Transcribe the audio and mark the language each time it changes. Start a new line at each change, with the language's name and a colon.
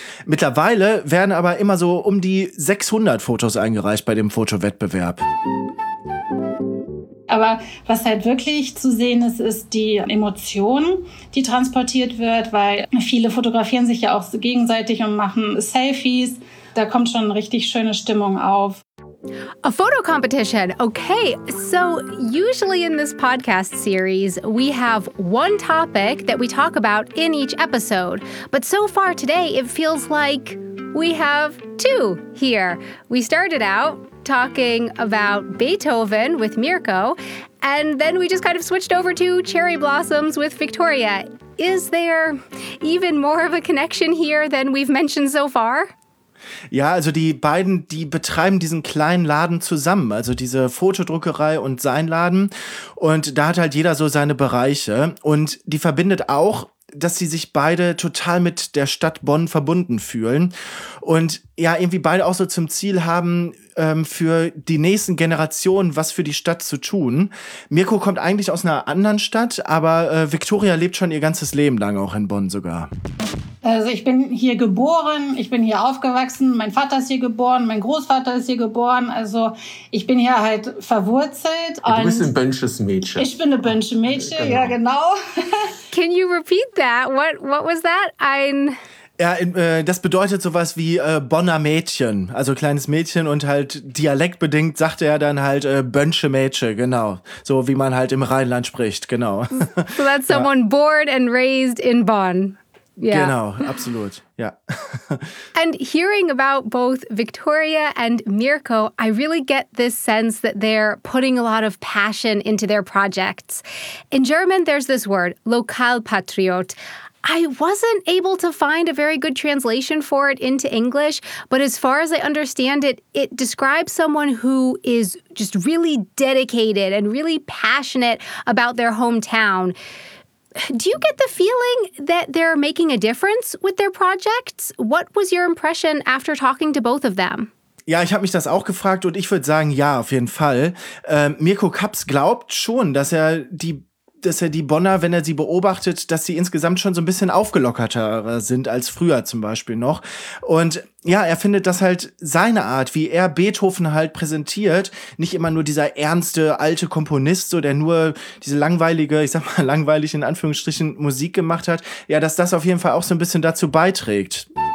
German: Mittlerweile werden aber immer so um die 600 Fotos eingereicht bei dem Fotowettbewerb. Aber was halt wirklich zu sehen ist, ist die Emotion, die transportiert wird, weil viele fotografieren sich ja auch so gegenseitig und machen Selfies. Da kommt schon eine richtig schöne Stimmung auf.
English: A photo competition. Okay, so usually in this podcast series, we have one topic that we talk about in each episode. But so far today, it feels like we have two here. We started out talking about Beethoven with Mirko, and then we just kind of switched over to cherry blossoms with Victoria. Is there even more of a connection here than we've mentioned so far?
German: Ja, also die beiden, die betreiben diesen kleinen Laden zusammen, also diese Fotodruckerei und sein Laden. Und da hat halt jeder so seine Bereiche. Und die verbindet auch, dass sie sich beide total mit der Stadt Bonn verbunden fühlen. Und ja, irgendwie beide auch so zum Ziel haben, für die nächsten Generationen was für die Stadt zu tun. Mirko kommt eigentlich aus einer anderen Stadt, aber Victoria lebt schon ihr ganzes Leben lang auch in Bonn sogar. Also ich bin hier geboren, ich bin hier aufgewachsen, mein Vater ist hier geboren, mein Großvater ist hier geboren. Also ich bin hier halt verwurzelt. Und du bist ein bönsches Mädchen. Ich bin ein bönsches Mädchen, genau. Ja, genau.
English: Can you repeat that? What was that? Ein...
German: Ja, das bedeutet sowas wie Bonner Mädchen, also kleines Mädchen und halt dialektbedingt sagt er dann halt Bönsche Mädche, genau. So wie man halt im Rheinland spricht, genau.
English: So that's someone born and raised in Bonn. Yeah.
German: Genau, absolut.
English: Yeah. And hearing about both Victoria and Mirko, I really get this sense that they're putting a lot of passion into their projects. In German, there's this word, Lokalpatriot. I wasn't able to find a very good translation for it into English, but as far as I understand it, it describes someone who is just really dedicated and really passionate about their hometown. Do you get the feeling that they're making a difference with their projects? What was your impression after talking to both of them?
German: Ja, ich habe mich das auch gefragt und ich würde sagen, ja, auf jeden Fall. Mirko Kaps glaubt schon, dass er die Bonner, wenn er sie beobachtet, dass sie insgesamt schon so ein bisschen aufgelockerter sind als früher zum Beispiel noch. Und ja, er findet, dass halt seine Art, wie er Beethoven halt präsentiert, nicht immer nur dieser ernste alte Komponist, so der nur diese langweilige, ich sag mal langweilig in Anführungsstrichen, Musik gemacht hat, ja, dass das auf jeden Fall auch so ein bisschen dazu beiträgt.